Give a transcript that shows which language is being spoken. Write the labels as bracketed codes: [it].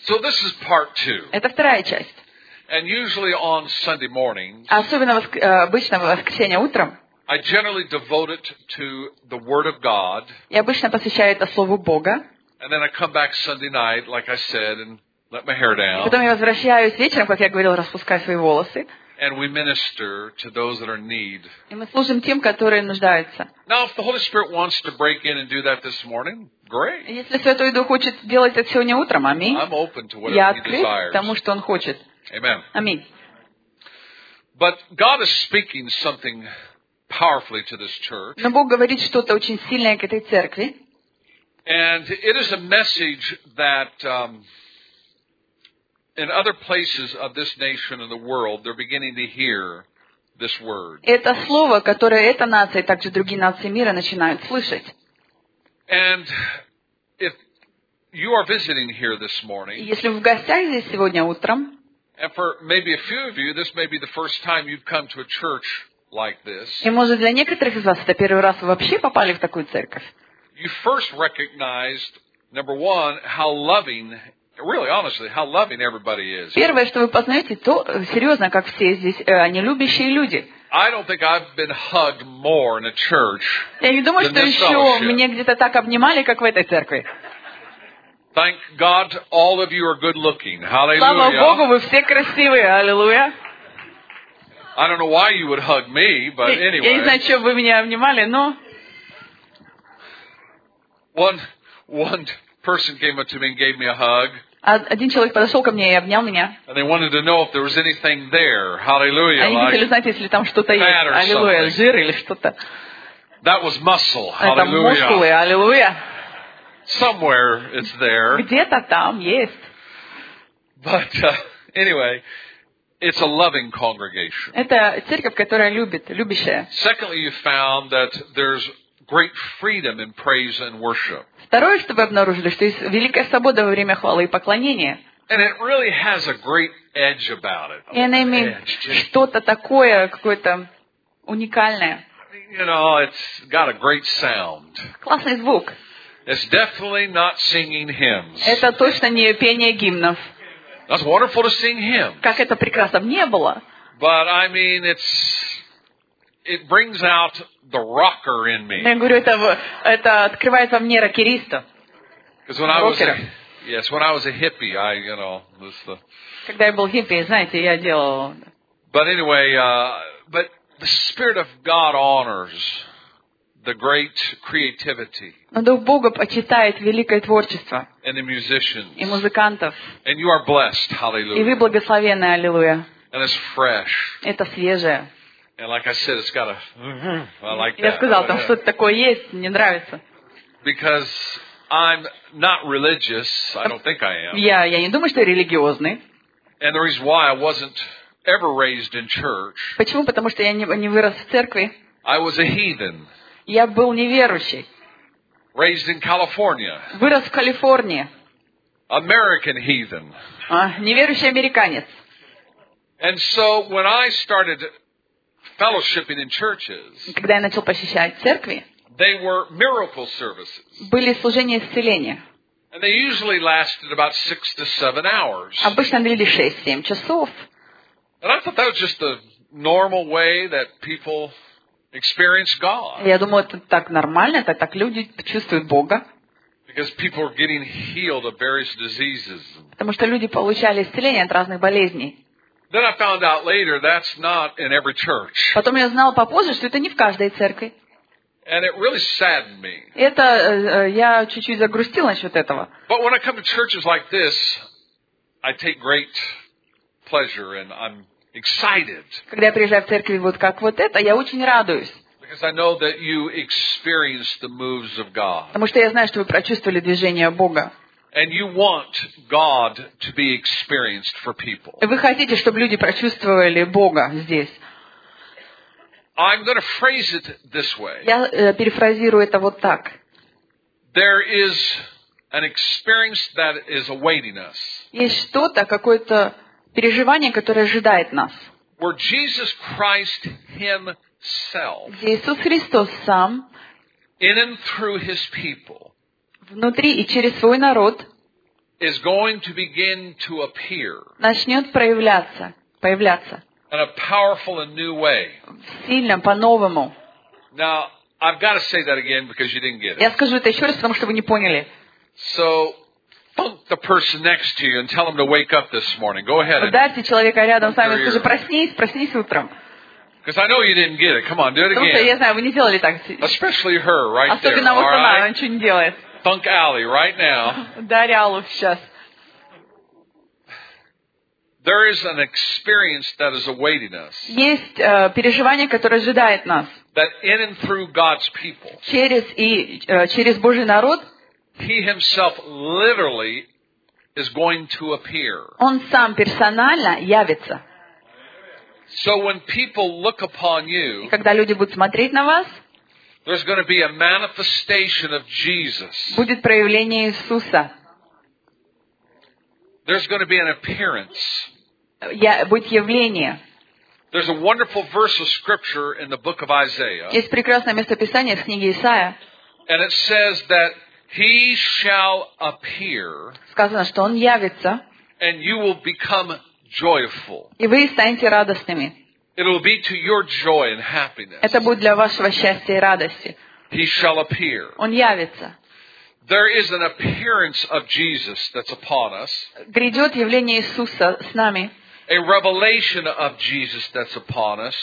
[en] So this is part two. [ru] Это вторая часть. [en] And usually on Sunday mornings. [ru] Особенно обычно в воскресенье утром. [en] I generally devote it to the Word of God. [ru] Я обычно посвящаю это слову Бога. [en] And then I come back Sunday night, like I said, and let my hair down. [ru] Потом я возвращаюсь вечером, как я говорил, распускаю свои волосы. [en] And we minister to those that are in need. [ru] И мы служим тем, которые нуждаются. [en] Now, if the Holy Spirit wants to break in and do that this morning, great. [ru] Если Святой Дух хочет делать это сегодня утром, аминь. [en] I'm open to whatever He desires. [ru] Я открыт тому, что Он хочет. [en] Amen. [ru] Аминь. [en] But God is speaking something powerfully to this church. [ru] Но Бог говорит что-то очень сильное к этой церкви. [en] And it is a message that in other places of this nation and the world, they're beginning to hear this word. [ru] Это слово, которое эта нация и также другие нации мира начинают слышать. [en] And if you are visiting here this morning, [ru] если вы в гостях здесь сегодня утром, [en] and for maybe a few of you, this may be the first time you've come to a church like this. [ru] И может для некоторых из вас это первый раз вы вообще попали в такую церковь. [en] You first recognized, number one, how loving. Really, honestly, how loving everybody is. [ru] Первое, что вы познаете, то серьезно, как все здесь, они любящие люди. [en] I don't think I've been hugged more in a church. [ru] Я не думаю, что еще меня где-то так обнимали, как в этой церкви. [en] Thank God, all of you are good looking. Hallelujah. [ru] Слава Богу, вы все красивые. Аллилуйя. [en] I don't know why you would hug me, but anyway. [ru] Я не знаю, что вы меня обнимали, но. [en] One. Person came up to me and gave me a hug. [ru] Один человек подошел ко мне и обнял меня. [en] And they wanted to know if there was anything there. Hallelujah. [ru] Они хотели знать, если там что-то есть. Аллилуйя. Жир или что-то. [en] That was muscle. Hallelujah. [ru] Это мускулы. Аллилуйя. [en] Somewhere it's there. [ru] Где-то там есть. [en] But anyway, it's a loving congregation. [ru] Это церковь, которая любит, любящая. [en] Secondly, you found that there's great freedom in praise and worship. [ru] Второе, что вы обнаружили, что есть великая свобода во время хвалы и поклонения. [en] And it really has a great edge about it. [ru] И она имеет что-то такое, какое-то уникальное. [en] You know, it's got a great sound. [ru] Классный звук. [en] It's definitely not singing hymns. [ru] Это точно не пение гимнов. [en] That's wonderful to sing hymns. [ru] Как это прекрасно, мне было. [en] But I mean, it brings out the rocker in me. [ru] Я говорю, это открывает во мне рокериста. [en] Because when rocker. I was, yes, when I was a hippie, I, you know, was the. [ru] Когда я был хиппи, знаете, я делал. [en] But anyway, but the Spirit of God honors the great creativity. [ru] Но Дух Бога почитает великое творчество. [en] And the musicians. [ru] И музыкантов. [en] And you are blessed, hallelujah. [ru] И вы благословенны, аллилуйя. [en] And it's fresh. [ru] Это свежее. [en] And like I said, it's got a. I like that. [ru] Я сказал, там что-то такое есть, мне нравится. [en] Because I'm not religious, I don't think I am. [ru] Я не думаю, что я религиозный. [en] And the reason why I wasn't ever raised in church. [ru] Почему? Потому что я не вырос в церкви. [en] I was a heathen. [ru] Я был неверующий. [en] Raised in California. [ru] Вырос в Калифорнии. [en] American heathen. [ru] Неверующий американец. [en] And so when I started fellowshipping in churches, [ru] когда я начал посещать церкви, [en] they were miracle services. [ru] Были служения исцеления. [en] And they usually lasted about 6 to 7 hours. [ru] Обычно они длились 6-7 часов. [en] And I thought that was just the normal way that people experience God. [ru] Я думал, это так нормально, это так люди чувствуют Бога. [en] Because people were getting healed of various diseases. [ru] Потому что люди получали исцеление от разных болезней. [en] Then I found out later that's not in every church. [ru] Потом я знал попозже, что это не в каждой церкви. [en] And it really saddened me. [ru] Это я чуть-чуть загрустил насчет этого. [en] But when I come to churches like this, I take great pleasure and I'm excited. [ru] Когда я приезжаю в церкви вот как вот это, я очень радуюсь. [en] Because I know that you experience the moves of God. [ru] Потому что я знаю, что вы прочувствовали движение Бога. [en] And you want God to be experienced for people. [ru] Вы хотите, чтобы люди прочувствовали Бога здесь. [en] I'm going to phrase it this way. [ru] Я перефразирую это вот так. [en] There is an experience that is awaiting us. [ru] Есть что-то, какое-то переживание, которое ожидает нас. [en] Where Jesus Christ himself. [ru] Где Иисус Христос сам. [en] In and through his people. [ru] Внутри и через свой народ. [en] Is going to begin to appear. [ru] Начнет проявляться. Появляться. [en] In a powerful and new way. [ru] Сильно, по-новому. [en] Now, I've got to say that again because you didn't get it. [ru] Я скажу это еще раз, потому что вы не поняли. [en] So, thunk the person next to you and tell him to wake up this morning. Go ahead. [ru] Ударьте человека рядом с вами и скажи, проснись, проснись утром. [en] Because I know you didn't get it. Come on, do it again. [ru] Потому что я знаю, вы не делали так. [en] Especially her, right there. [ru] Особенно вот она, она ничего не делает. [en] Thunk Allie, right now. [ru] Ударь Аллу сейчас. [en] There is an experience that is awaiting us. [ru] Есть переживание, которое ожидает нас. [en] That in and through God's people. [ru] Через и через Божий народ. [en] He himself literally is going to appear. [ru] Он сам персонально явится. [en] So when people look upon you. [ru] И когда люди будут смотреть на вас. [en] There's going to be a manifestation of Jesus. [ru] Будет проявление Иисуса. [en] There's going to be an appearance. [ru] Будет явление. [en] There's a wonderful verse of scripture in the book of Isaiah. [ru] Есть прекрасное место Писания в книге Исаия. [en] And it says that he shall appear. [ru] Сказано, что он явится. [en] And you will become joyful. [ru] И вы станете радостными. [en] It will be to your joy and happiness. [ru] Это будет для вашего счастья и радости. [en] He shall appear. [ru] Он явится. [en] There is an appearance of Jesus that's upon us. [ru] Грядет явление Иисуса с нами. [en] A revelation of Jesus that's upon us.